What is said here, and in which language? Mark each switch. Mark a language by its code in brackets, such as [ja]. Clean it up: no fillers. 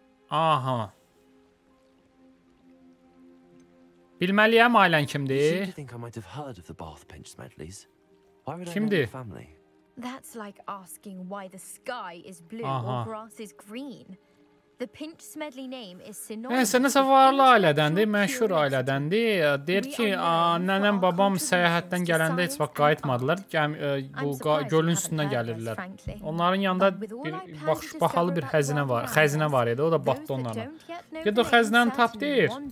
[az] Aha. Bilməliyəm ailən kimdir? Kimdir? [en] That's like asking why the sky is blue or grass is green. The Pinch Smedley name is synonymous. [az] Nəsə varlı ailədəndir, məşhur ailədəndir. Deyir ki, nənəm babam səyahətdən gələndə heç vaxt qayıtmadılar. Bu gölün üstündən gəlirlər. Onların yanında bir bahalı bir xəzinə var. Xəzinə var idi, o da batdı onlara. Gedə o xəzinəni tap deyir.